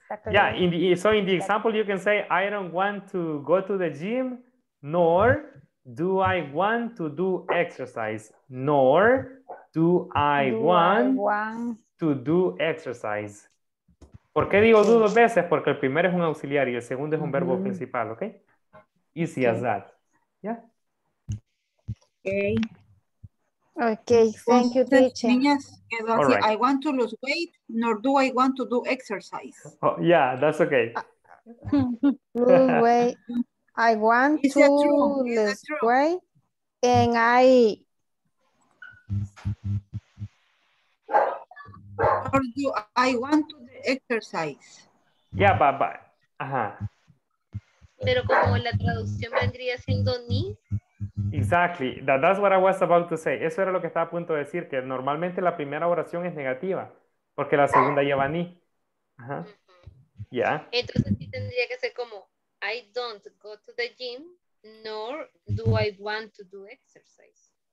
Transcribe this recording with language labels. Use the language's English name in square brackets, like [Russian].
[English] Yeah, in the example you can say, I don't want to go to the gym, nor do I want to do exercise, nor do I want to do exercise. [Spanish] ¿Por qué digo dos veces? Porque el primero es un auxiliar y el segundo es un verbo principal, ¿ok? [English] Easy as that. Yeah. Okay. Okay, thank you, teacher. Right. I want to lose weight, nor do I want to do exercise. Oh, yeah, that's okay. Lose weight. I want to lose weight. And I... Or do I want to do exercise? Yeah, bye-bye. Uh-huh. [Spanish] Pero como la traducción vendría siendo ni... [English] Exactly, that's what I was about to say. [Spanish] Eso era lo que estaba a punto de decir, que normalmente la primera oración es negativa, porque la segunda lleva ni. Uh-huh. Yeah. Entonces sí tendría que ser como, [English] I don't go to the gym, nor do I want to do exercise.